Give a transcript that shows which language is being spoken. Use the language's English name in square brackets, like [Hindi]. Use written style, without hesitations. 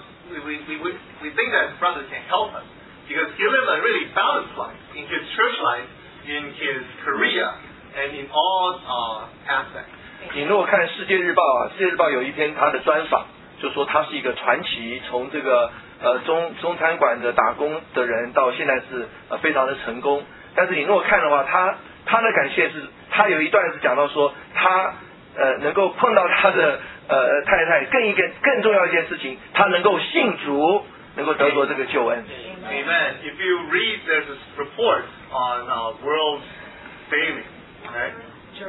[English] Because we think that brother can help us because he lives a really balanced life in his church life, in his career, and in all aspects. [Chinese] 你如果看《世界日报》啊，《世界日报》有一篇他的专访，就说他是一个传奇，从这个中餐馆的打工的人，到现在是非常的成功。但是你如果看的话，他的感谢是。他有一段是讲到说他能够碰到他的太太，更重要一件事情，他能够信主，能够得着这个救恩。 [English] Amen. If you read this report on World Daily, right?